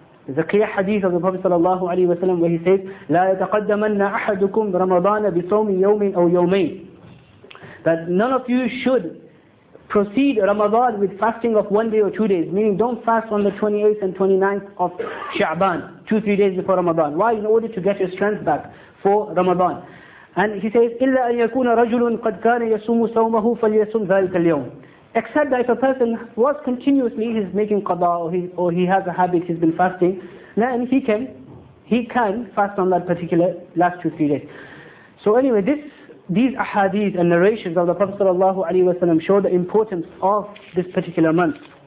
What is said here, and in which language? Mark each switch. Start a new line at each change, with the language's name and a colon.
English: There's a clear hadith of the Prophet sallallahu alaihi wasallam where he says,
Arabic: لا يتقدمن أحدكم رمضان بصوم يوم أو يومين,
English: that none of you should proceed Ramadan with fasting of 1 day or 2 days, meaning don't fast on the 28th and 29th of Sha'ban, 2-3 days before Ramadan. Why? In order to get your strength back for Ramadan. And he says,
Arabic: إلا أن يكون رجل قد كان يصوم صومه فليصوم ذلك اليوم.
English: Except that if a person was continuously, he's making qada or he has a habit, he's been fasting, then he can fast on that particular last 2-3 days. So anyway, these ahadith and narrations of the Prophet sallallahu alaihi wasallam show the importance of this particular month.